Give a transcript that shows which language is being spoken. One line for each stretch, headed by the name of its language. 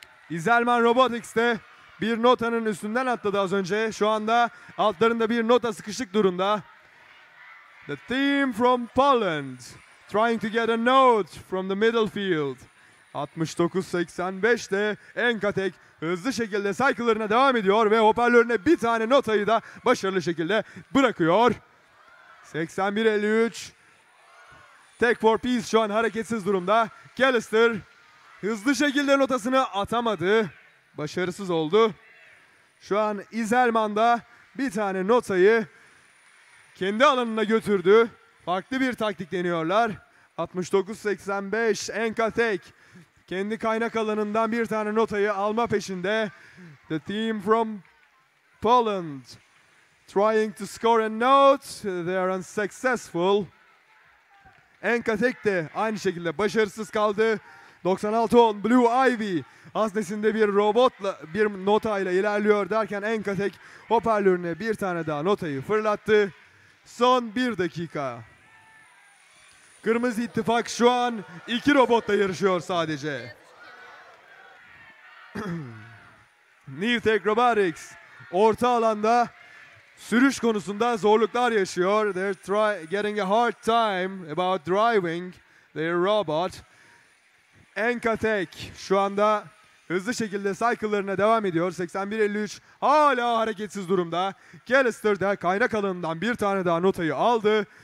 Turkish: Dieselman Robotics de bir notanın üstünden atladı az önce. Şu anda altlarında bir nota sıkışık durumda.
English: The team from Poland trying to get a note from the middle field.
Turkish: 69-85 de Enkatek hızlı şekilde cycle'larına devam ediyor ve hoparlörüne bir tane notayı da başarılı şekilde bırakıyor. 81-53 Tech for Peace şu an hareketsiz durumda. Callister hızlı şekilde notasını atamadı. Başarısız oldu. Şu an Iselman da bir tane notayı kendi alanına götürdü. Farklı bir taktik deniyorlar. 69-85 Enkatek kendi kaynak alanından bir tane notayı alma peşinde.
English: The team from Poland trying to score a note. They are unsuccessful.
Turkish: Enkatek de aynı şekilde başarısız kaldı. 96-10 Blue Ivy haznesinde bir robotla bir notayla ilerliyor derken Enkatek hoparlörüne bir tane daha notayı fırlattı. Son bir dakika. Kırmızı İttifak şu an iki robotla yarışıyor sadece. Newtek Robotics orta alanda sürüş konusunda zorluklar yaşıyor.
English: They're getting a hard time about driving their robot.
Turkish: Enkatek şu anda hızlı şekilde cycle'larına devam ediyor. 81-53 hala hareketsiz durumda. Callister de kaynak alanından bir tane daha notayı aldı.